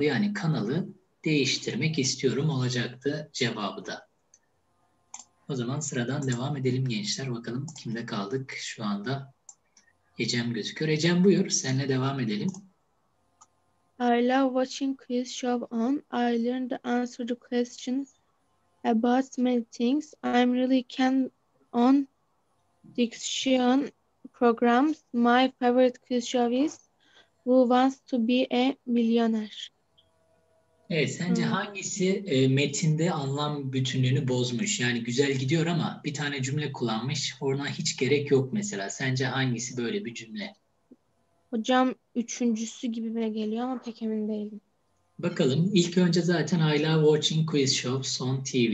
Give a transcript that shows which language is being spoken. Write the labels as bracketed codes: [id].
[tr] Yani kanalı değiştirmek istiyorum olacaktı cevabı da. O zaman sıradan devam edelim gençler. Bakalım kimde kaldık şu anda. Ecem gözüküyor. Ecem buyur, seninle devam edelim. [en] I love watching quiz show on. I learned the answer to questions about many things. I'm really keen on diction programs. My favorite quiz show is Who Wants to Be a Millionaire? [tr] Evet, sence hangisi metinde anlam bütünlüğünü bozmuş? Yani güzel gidiyor ama bir tane cümle kullanmış. Oradan hiç gerek yok mesela. Sence hangisi böyle bir cümle? Hocam üçüncüsü gibi bile geliyor ama pek emin değilim. Bakalım. İlk önce zaten [en] I love watching quiz shows on TV.